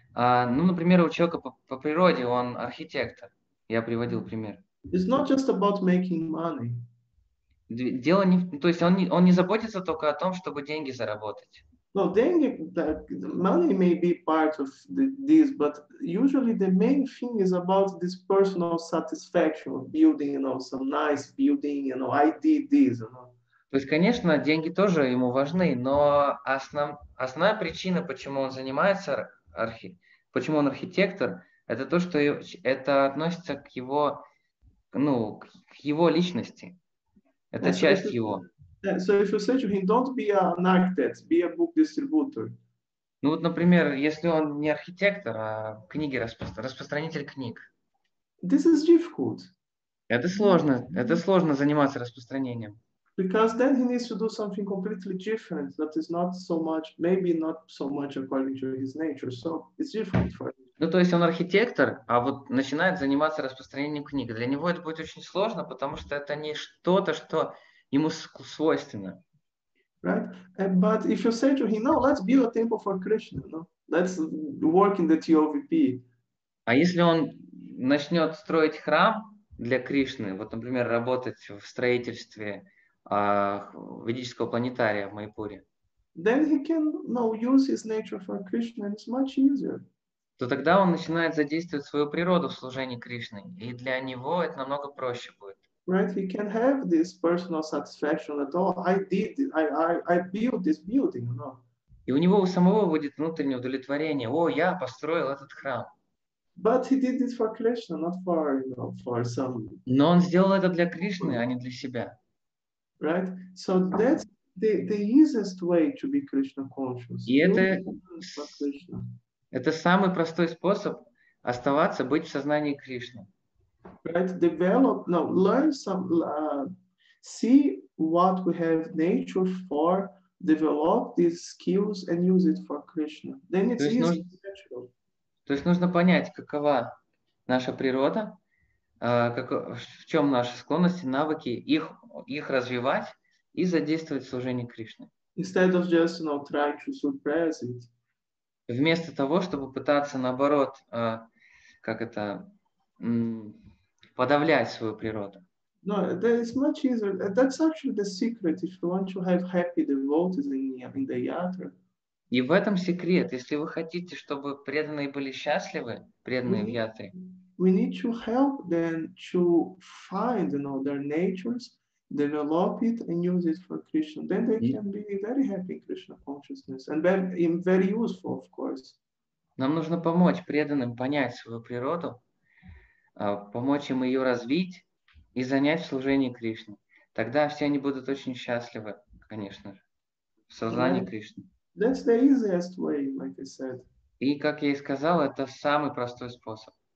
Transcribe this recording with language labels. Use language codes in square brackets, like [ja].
[ru] Ну, например, у человека по природе он архитектор. Я приводил пример. [en] It's not just about making money. [ru] Дело не, то есть он не заботится только о том, чтобы деньги заработать. [en] No, [ru] деньги, [en] money may be part of this, but usually the main thing is about this personal satisfaction of building, you know, some nice building, you know, I did this, you know. [ru] То есть, конечно, деньги тоже ему важны, но основная причина, почему он занимается почему он архитектор, это то, что это относится к его, ну, к его личности. Это часть его. [en] So if you say to him, don't be an architect, be a book distributor. [ru] Ну вот, например, если он не архитектор, а книги распространитель книг. [en] This is difficult. [ru] Это сложно заниматься распространением. [en] Because then he needs to do something completely different that is not so much, maybe not so much according to his nature. So it's difficult for him. [ru] Ну, то есть он архитектор, а вот начинает заниматься распространением книг. Для него это будет очень сложно, потому что это не что-то, что ему свойственно. [en] Right? But if you say to him, no, let's build a temple for Krishna, no? Let's work in the TOVP. [ru] А если он начнет строить храм для Кришны, вот, например, работать в строительстве ведического планетария в Майпуре, [en] then he can, no, use his nature for Krishna, and it's much easier. [ru] То тогда он начинает задействовать свою природу в служении Кришне, и для него это намного проще будет. [en] Right, he can have this personal satisfaction that, oh, I did, I built this building, no. [ru] И у него у самого будет внутреннее удовлетворение. О, я построил этот храм. [en] But he did this for Krishna, not for, you know, for some. [ru] Но он сделал это для Кришны, а не для себя. [en] Right, so that's the easiest way to be Krishna conscious. [ru] И это самый простой способ оставаться, быть в сознании Кришны. [en] Right, develop, no, learn some, see what we have nature for, develop these skills and use it for Krishna. Then it's easy, natural. [ru] То есть нужно понять, какова наша природа, в чем наши склонности, навыки, их развивать и задействовать в служении Кришне. [en] Instead of just, you know, trying to suppress it. [ru] Вместо того, чтобы пытаться, наоборот, как это, подавлять свою природу. [en] No, that is much easier. That's actually the secret if you want to have happy devotees in the yatra. [ru] И в этом секрет. Если вы хотите, чтобы преданные были счастливы, преданные в ятре. [en] We need to help them to find, you know, their natures, develop it and use it for Krishna. Then they can be very happy in Krishna consciousness and very useful, of course. [ru] Нам нужно помочь преданным понять свою природу, помочь им ее развить и занять в служении Кришне. Тогда все они будут очень счастливы, конечно же. в сознании Кришны. [en] That's the easiest way, like I said. [ru] И, как я и сказал, это самый простой способ.